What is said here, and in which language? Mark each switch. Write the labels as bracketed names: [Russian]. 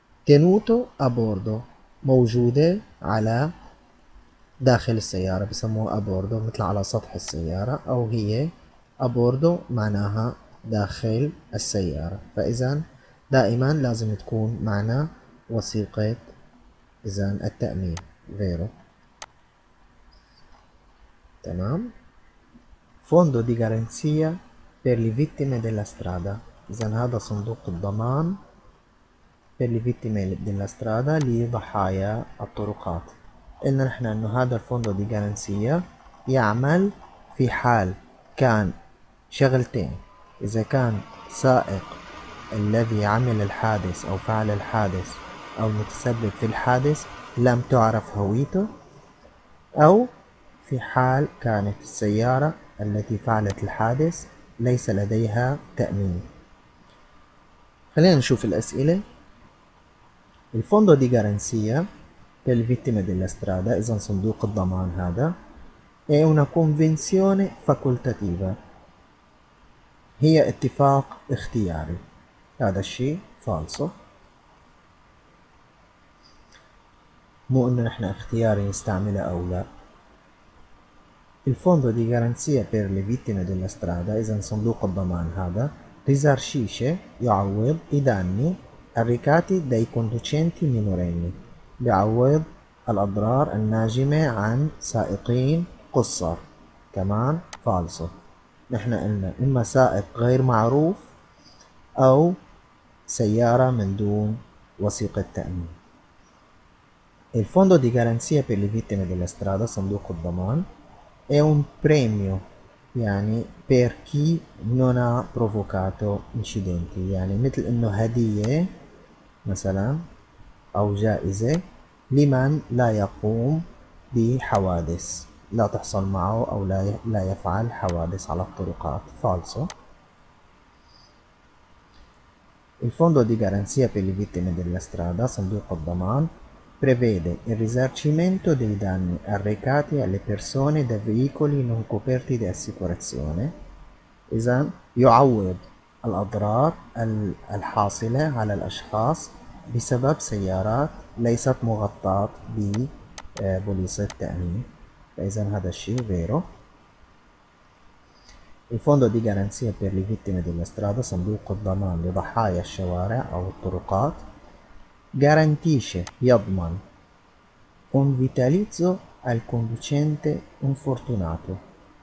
[Arabic] tenuto a bordo موجودة على داخل السيارة بسموها a bordo مثل على سطح السيارة أو هي a bordo معناها داخل السيارة فإذا دائما لازم تكون معنا وثيقة إذا التأمين غيره تمام [Italian] Fondo di garanzia per le vittime della strada. [Arabic] Zanada Sunduk Daman [Italian] per le vittime della strada, [Arabic] li dhahaya at-turuqat. [Italian] E noi abbiamo questo fondo di garanzia. [Arabic] يعمل في حال كان شغلتين، إذا كان سائق الذي عمل الحادث أو فعل الحادث أو متسبب في الحادث لم تعرف هويته، أو في حال كانت السيارة التي فعلت الحادث ليس لديها تأمين. خلينا نشوف الأسئلة. الفوندو دي جارانسيا [Italian] per le vittime della strada, [Arabic] إذا صندوق الضمان هذا [Italian] è una convenzione facoltativa. [Arabic] هي اتفاق اختياري. هذا الشيء فالصو. مو انه نحن اختياري نستعمله او لا. الفوندو دي جارانسيا [Italian] per le vittime della strada, [Arabic] إذا صندوق الضمان هذا [Italian] risarcisce, [Arabic] يعوض [Italian] i danni arrecati dai conducenti minorenni. [Arabic] يعوض الأضرار الناجمة عن سائقين قصر. كمان فالصو. نحن قلنا إما سائق غير معروف أو سيارة من دون وثيقة تأمين. الفوندو دي جارانسيا [Italian] per le vittime della strada, [Arabic] صندوق الضمان, [Italian] è un premio, [Arabic] يعني [Italian] per chi non ha provocato incidenti, [Arabic] يعني مثل إنه هدية مثلا أو جائزة لمن لا يقوم بحوادث، لا تحصل معه أو لا يفعل حوادث على الطرقات. فالصو. الفوندو دي جارانسيا [Italian] per le vittime della strada, [Arabic] صندوق الضمان, [Italian] prevede il risarcimento dei danni arrecati alle persone da veicoli non coperti di assicurazione. [Arabic] إذا يعوض الأضرار الحاصلة على الأشخاص بسبب سيارات ليست مغطاة ببوليصة تأمين. فإذا هذا الشيء غيره. الفوندو دي جارانسيا [Italian] per le vittime della strada, [Arabic] صندوق الضمان لضحايا الشوارع أو الطرقات, [Italian] garantisce, [Arabic] يضمن, [Italian] un vitalizio al conducente infortunato.